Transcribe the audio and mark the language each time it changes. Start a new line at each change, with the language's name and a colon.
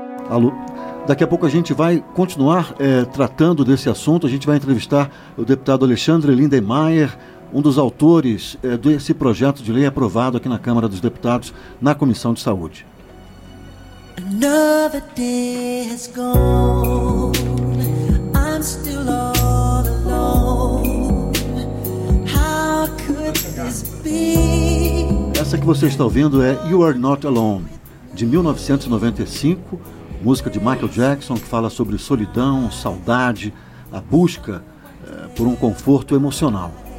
Portuguese: Alô. Daqui a pouco a gente vai continuar tratando desse assunto. A gente vai entrevistar o deputado Alexandre Lindemeyer, um dos autores desse projeto de lei aprovado aqui na Câmara dos Deputados, na Comissão de Saúde.
English: Another day has gone, I'm still all alone. How could this be?
Portuguese: Essa que você está ouvindo é You Are Not Alone, de 1995, música de Michael Jackson, que fala sobre solidão, saudade, a busca por um conforto emocional.